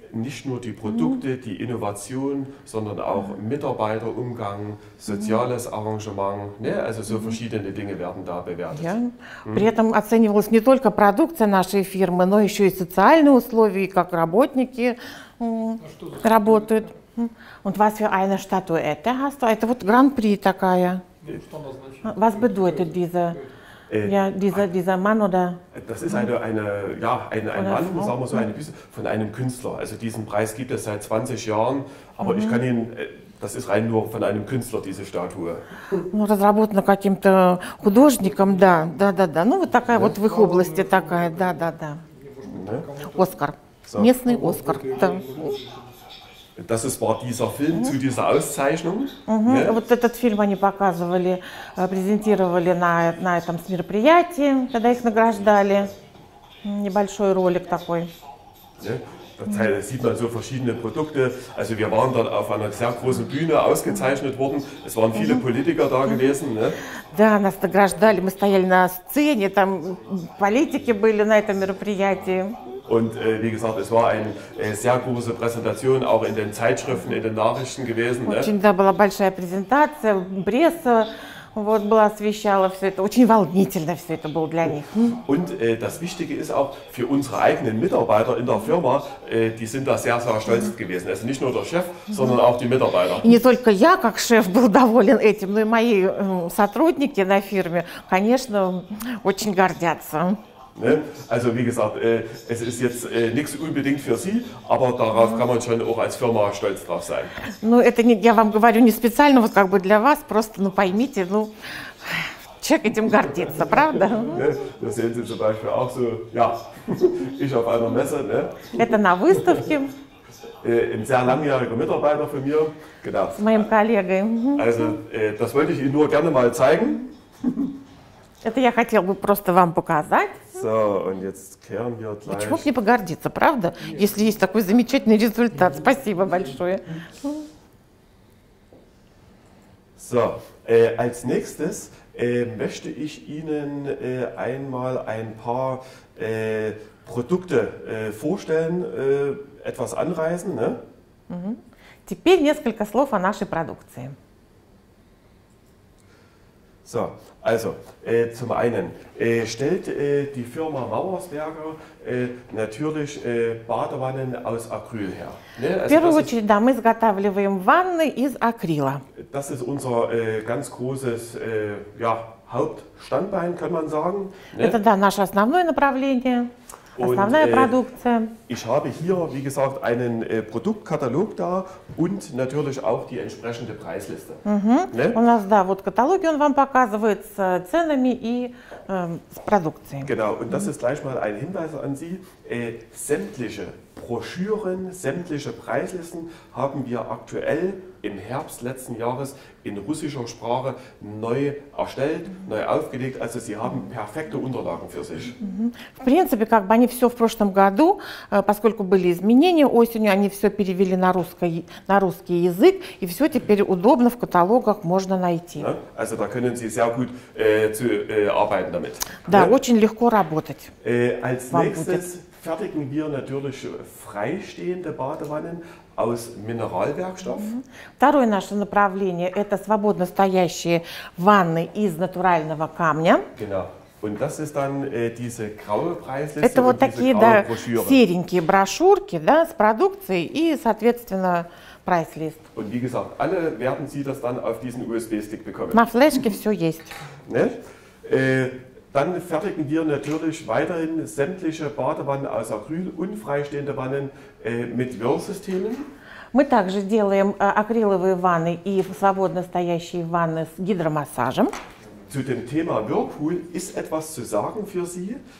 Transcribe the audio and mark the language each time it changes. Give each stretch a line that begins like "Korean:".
German: Nicht nur die Produkte, die Innovation, sondern auch Mitarbeiterumgang, soziales Arrangement. Ne? Also so verschiedene Dinge werden da bewertet. Ja.
Russian: При этом оценивалась не только продукция нашей фирмы, но еще и социальные условия, как работники работают.
German: Und was für eine Statuette hast du?
Russian: Это вот Гран-при такая.
German: Was bedeutet diese? Ja, dieser Mann oder Das ist ein oder Mann, Frau. sagen wir so ein bisschen, von einem Künstler. Also diesen Preis gibt es seit 20 Jahren, aber ich kann Ihnen, das ist rein nur von einem Künstler, diese Statue.
Russian: Ну, разработано каким-то художником, да. Ну, вот такая вот в их области такая, да. Оскар. Местный Оскар.
German: Das war dieser Film zu dieser Auszeichnung.
Russian: Вот этот фильм они показывали, презентировали на этом мероприятии, когда их награждали. Небольшой ролик такой.
German: Da sieht man so verschiedene Produkte. Also wir waren dann auf einer sehr großen Bühne ausgezeichnet worden. Es waren viele Politiker da gewesen. Ne?
Russian: Да, нас награждали. Мы стояли на сцене, там политики были на этом мероприятии.
German: Und wie gesagt, es war eine sehr große Präsentation, auch in den Zeitschriften, in den Nachrichten gewesen.
Russian: Очень да, была большая презентация, пресса вот была освещала все это. Очень волнительно все это было для них.
German: Und das Wichtige ist auch für unsere eigenen Mitarbeiter in der Firma, die sind da sehr, sehr stolz gewesen. Also nicht nur der Chef, sondern auch die Mitarbeiter.
Russian: И не только я как шеф был доволен этим, но и мои сотрудники на фирме, конечно, очень гордятся.
German: Ne? Also wie gesagt, es ist jetzt nichts unbedingt für Sie, aber darauf kann man schon auch als Firma stolz drauf sein.
Russian: Ну, это не, я вам говорю не специально, вот как бы для вас, просто, ну, поймите, ну, человек этим гордится, правда?
German: Ne? Das sehen Sie zum Beispiel auch so, ja, ich auf einer Messe, ne?
Russian: Это на выставке.
German: Ein sehr langjähriger Mitarbeiter von mir, genau.
Russian: С моим коллегой.
German: Also, das wollte ich Ihnen nur gerne mal zeigen.
Russian: Это я хотел бы просто вам показать.
German: So, und jetzt kehren wir gleich.
Russian: Почему бы не погордиться, правда? Если есть такой замечательный результат. Спасибо большое.
German: So, als nächstes möchte ich Ihnen einmal ein paar Produkte vorstellen, etwas anreißen. Ne?
Russian: Теперь несколько слов о нашей продукции.
German: So, also zum einen stellt die Firma Mauersberger natürlich Badewannen aus Acryl her. Ne?
Russian: В первую очередь, да, мы изготавливаем ванны из акрила.
German: Das ist unser ganz großes ja, Hauptstandbein, kann man sagen.
Russian: Это, да, наше основное направление. Основная продукция.
German: Ich habe hier, wie gesagt, einen Produktkatalog da und natürlich auch die entsprechende Preisliste. Ne?
Russian: У нас, да, вот каталоги он вам показывает с ценами и с продукцией.
German: Genau, und das ist gleich mal ein Hinweis an Sie. Sämtliche Broschüren, sämtliche Preislisten haben wir aktuell im Herbst letzten Jahres in russischer Sprache neu erstellt, neu aufgelegt. Also Sie haben perfekte Unterlagen für sich.
Russian: В принципе, как бы они все в прошлом году, поскольку были изменения осенью, они все перевели на русский язык и все теперь удобно в каталогах можно найти.
German: Also da können Sie sehr gut arbeiten damit.
Russian: Да, очень легко работать.
German: Als nächstes fertigen wir natürlich freistehende Badewannen aus Mineralwerkstoff.
Russian: Второе наше направление – это свободно стоящие ванны из натурального камня.
German: Genau. Und das ist dann diese graue Preisliste.
Russian: Это вот такие, да, серенькие брошюрки, да, с продукцией и, соответственно, Preislist.
German: Und wie gesagt, alle werden Sie das dann auf diesen USB-Stick bekommen.
Russian: На флешке все есть.
German: Ne? Dann fertigen wir natürlich weiterhin sämtliche Badewannen aus Acryl und freistehende Wannen mit Whirlsystemen.
Russian: Мы также делаем акриловые ванны и свободно стоящие ванны с гидромассажем.
German: Zu dem Thema Whirlpool ist etwas zu sagen für Sie.